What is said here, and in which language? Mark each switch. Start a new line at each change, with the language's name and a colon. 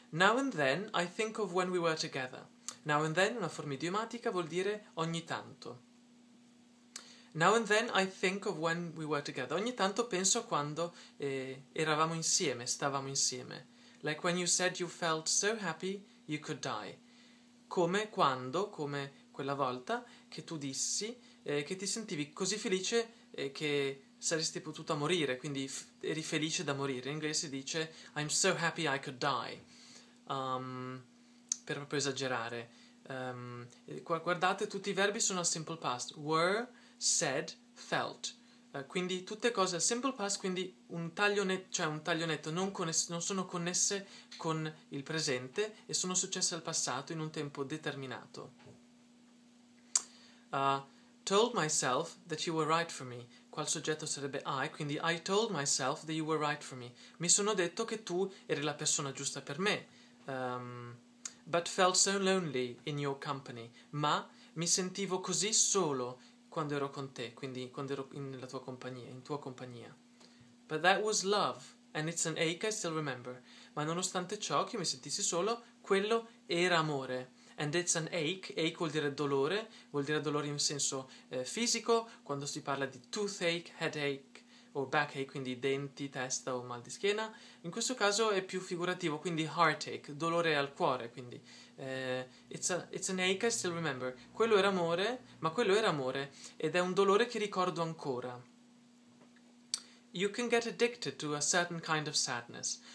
English: Now and then I think of when we were together. Now and then,
Italian: una forma idiomatica, vuol dire ogni tanto.
English: Now and then I think of when we were together.
Italian: Ogni tanto penso a quando eravamo insieme, stavamo insieme.
English: Like when you said you felt so happy you could die.
Italian: Come quando, come quella volta che tu dissi che ti sentivi così felice che saresti potuta morire, quindi eri felice da morire. In inglese si dice
English: I'm so happy I could die,
Italian: per proprio esagerare. Guardate, tutti i verbi sono al simple past. Were, said, felt. Quindi tutte cose al simple past, quindi un taglio netto, non sono connesse con il presente e sono successe al passato in un tempo determinato.
English: Told myself that you were right for me.
Italian: Qual soggetto sarebbe I, quindi
English: I told myself that you were right for me.
Italian: Mi sono detto che tu eri la persona giusta per me.
English: But felt so lonely in your company.
Italian: Ma mi sentivo così solo quando ero con te, quindi quando ero nella tua compagnia, in tua compagnia.
English: But that was love, and it's an ache I still remember.
Italian: Ma nonostante ciò che mi sentissi solo, quello era amore.
English: And it's an ache,
Italian: ache vuol dire dolore in senso fisico, quando si parla di toothache, headache, o backache, quindi denti, testa o mal di schiena. In questo caso è più figurativo, quindi heartache, dolore al cuore, quindi
English: it's an ache I still remember.
Italian: Quello era amore, ma quello era amore ed è un dolore che ricordo ancora.
English: You can get addicted to a certain kind of sadness.